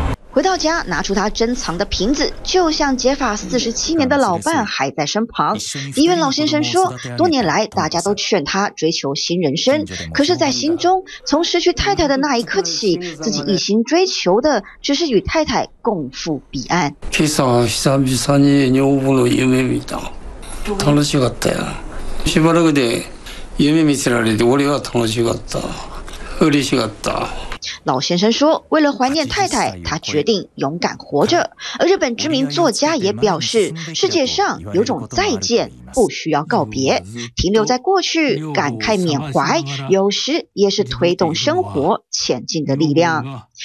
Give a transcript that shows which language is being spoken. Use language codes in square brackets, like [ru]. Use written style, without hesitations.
[zh] 回到家，拿出他珍藏的瓶子，就像结发47年的老伴还在身旁。狄元老先生说，多年来大家都劝他追求新人生，可是在心中，从失去太太的那一刻起，自己一心追求的只是与太太共赴彼岸。 [ja] 今朝久々に女房の夢見た。楽しかったよ。しばらくで夢見せられて、俺は楽しかった。嬉しかった。 [zh] 老先生说，为了怀念太太，他决定勇敢活着。而日本知名作家也表示，世界上有种再见，不需要告别，停留在过去，感慨缅怀，有时也是推动生活前进的力量。